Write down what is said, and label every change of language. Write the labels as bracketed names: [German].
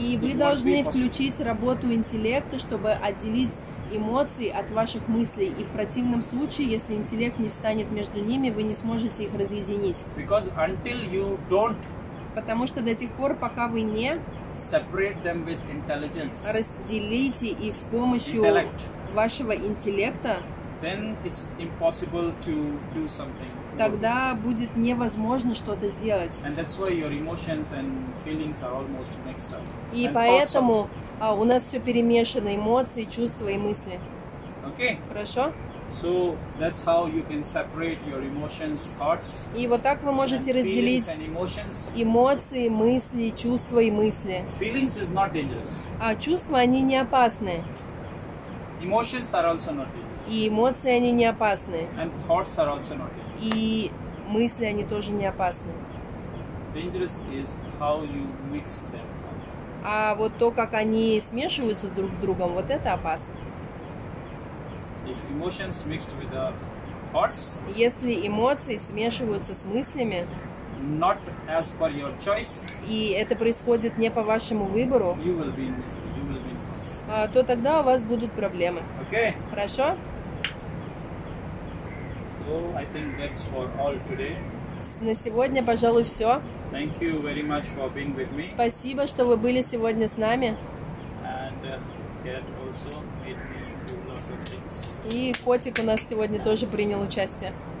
[Russian] И вы должны включить работу интеллекта, чтобы отделить эмоции от ваших мыслей, и в противном случае, если интеллект не встанет между ними, вы не сможете их разъединить. [English] Because until you don't, [Russian] потому что до тех пор, пока вы не [English] separate them with intelligence, [Russian] разделите их с помощью [English] intellect, [Russian] вашего интеллекта, [English] then it's impossible to do something. [Russian] Тогда будет невозможно что-то сделать. [English] And that's why your emotions and feelings are almost mixed up. [Russian] И поэтому у нас все перемешано, эмоции, чувства и мысли. [English] Okay. [Russian] Хорошо? [English] So that's how you can separate your emotions, thoughts. [Russian] И вот так вы можете разделить эмоции, мысли, чувства и мысли. [English] Feelings is not dangerous. [Russian] Чувства, они не опасны. [English] Emotions are also not dangerous. [Russian] И эмоции, они не опасны. [English] And thoughts are also not dangerous. [Russian] И мысли, они тоже не опасны. [English] Dangerous is how you mix them. [Russian] А вот то, как они смешиваются друг с другом, вот это опасно. [English] If emotions mixed with the thoughts, [Russian] если эмоции смешиваются с мыслями, [English] not as per your choice, [Russian] и это происходит не по вашему выбору, [English] you will be in misery, you will be in [Russian] то тогда у вас будут проблемы. [English] Okay. [Russian] Хорошо? [English] So I think that's for all today. [Russian] На сегодня, пожалуй, все. [English] Thank you very much for being with me. [Russian] Спасибо, что вы были сегодня с нами. [English] And cat also made me do lots of things. [Russian] И котик у нас сегодня тоже принял участие.